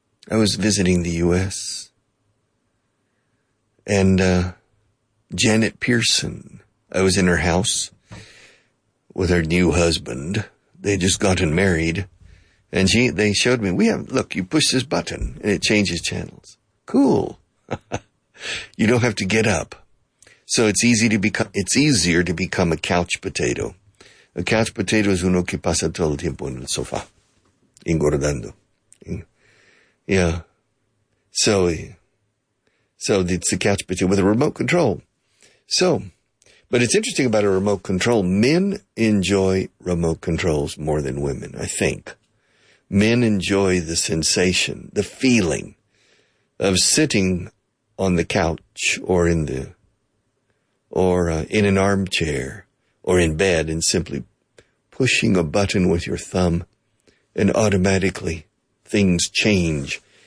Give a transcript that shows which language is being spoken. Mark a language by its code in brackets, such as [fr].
[en] I was visiting the U.S., and Janet Pearson, I was in her house with her new husband. They just gotten married, and they showed me, you push this button, and it changes channels. Cool. You don't have to get up. So it's easier to become a couch potato. A couch potato is [es] uno que pasa todo el tiempo en el sofá, engordando. [en] Yeah. So it's a couch potato with a remote control. But it's interesting about a remote control. Men enjoy remote controls more than women, I think. Men enjoy the sensation, the feeling of sitting on the couch or in an armchair or in bed and simply pushing a button with your thumb and automatically things change.